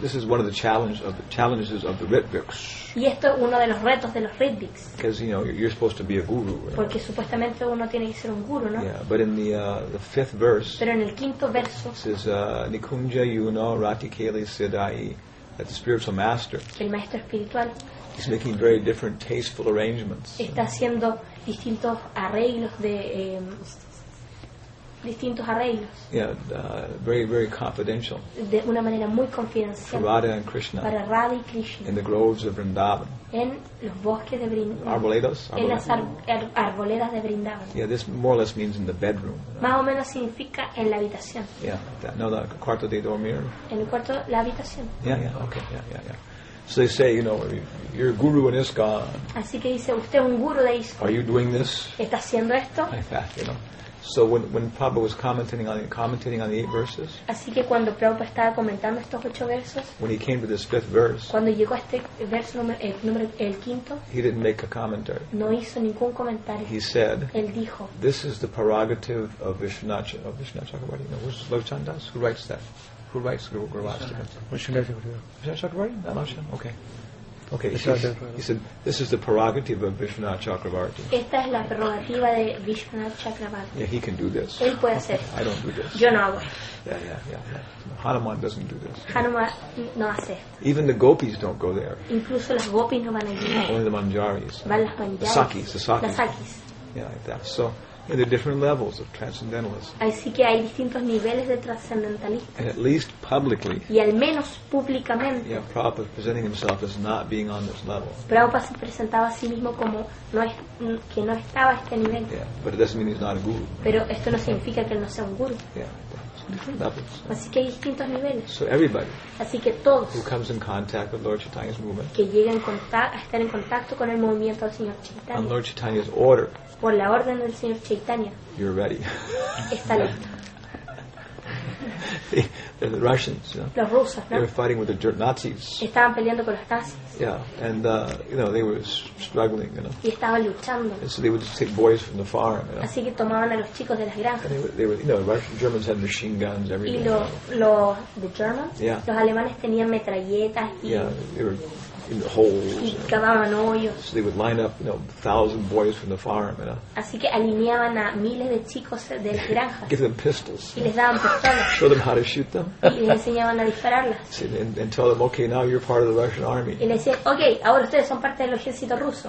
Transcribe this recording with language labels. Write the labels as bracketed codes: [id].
[en] This is one of the challenges of the Ritviks. [es] Y esto es uno de los retos de los Ritviks. [en] Because you know you're supposed to be a guru. Right? [es] Porque supuestamente uno tiene que ser un guru, ¿no? [en] Yeah, but in the fifth verse. [es] Pero en el quinto verso. [en] It says Nikunja Yuno Ratikeli Siddhi, that the spiritual master. [es] El maestro espiritual. [en] He's making very different tasteful arrangements. [es] Está haciendo distintos arreglos de. Distintos arreglos. [en] Yeah, very very confidential. [es] De una manera muy confidencial. [en] For Radha and Krishna. [es] Para Radha y Krishna. [en] In the groves of Vrindavan. [es] En los bosques de Vrindavan. Arboledas. En las arboledas de Vrindavan. [en] Yeah, this more or less means in the bedroom. You know? [es] Más o menos significa en la habitación. [en] Yeah, that, no, the [es] cuarto de dormir. En el cuarto, la habitación. [en] Yeah, okay, yeah. So they say, you know, you're a guru in ISKCON. [es] Así que dice, usted es un guru de ISKCON. [en] Are you doing this? [es] ¿Está haciendo esto? [en] In fact, you know. So when Prabhupada was commenting on the eight verses. [es] Así que cuando Prabhupada estaba comentando estos ocho versos. [en] When he came to this fifth verse. [es] Cuando llegó a este verso el quinto. [en] He didn't make a commentary. [es] No hizo ningún comentario. [en] He said. [es] Él dijo. [en] This is the prerogative of Vishnu Chakravarti. No, who's Lavchandas? Who writes that? Who writes Gurvastra? Vishnu Chakravarti? Okay. Okay, he said, this is the prerogative of Vishwanath Chakravarti. [es] Esta es la prerrogativa de Vishwanath Chakravarti. [en] Yeah, he can do this. [es] Él puede hacer. [en] I don't do this. [es] Yo no hago. [en] Yeah. Hanuman doesn't do this. [es] Hanuman no hace esto. [en] Even the gopis don't go there. [es] Incluso las gopis no van allí. [en] Only the manjaris. [es] Van las manjaris. [en] The sakis. Yeah, like that. So, yeah, there are different levels of transcendentalism. [es] Así que hay distintos niveles de transcendentalismo. [en] And at least publicly. [es] Y al menos públicamente. [en] Yeah, Prabhupada presenting himself as not being on this level. [es] Prabhupada se presentaba a sí mismo como que no estaba a este nivel. [en] Yeah, but it doesn't mean he's not a guru. [es] Pero esto no significa que él no sea un guru. [en] Yeah. Levels. [es] Así que hay distintos niveles. [en] So everybody. [es] Así que todos. [en] Who comes in contact with Lord Chaitanya's movement. [es] Que llegan a estar en contacto con el movimiento del señor Chaitanya. [en] On Lord Chaitanya's order. [es] Por la orden del señor Chaitanya. [en] You're ready. [es] Está listo. [en] They're the Russians. You know? [es] Los rusos, ¿no? [en] They were fighting with the Nazis. [es] Estaban peleando con los nazis. [en] Yeah, and you know they were struggling, you know. [es] Y estaban luchando. [en] And so they would just take boys from the farm. You know? [es] Así que tomaban a los chicos de las granjas. [en] They were, you know, the Germans had machine guns, everything. [es] Y the Germans. [en] Yeah. [es] Los alemanes tenían metralletas. [en] In the holes. [es] Y cavaban hoyos. [en] So they would line up, you know, 1,000 boys from the farm, you know. [es] Así que alineaban a miles de chicos de las granjas. [en] Give them pistols. [es] Y les daban pistolas. [en] Show them how to shoot them. [es] Y les enseñaban a dispararlas. [en] And tell them, okay, now you're part of the Russian army. [es] Y les decían, okay, ahora ustedes son parte del ejército ruso.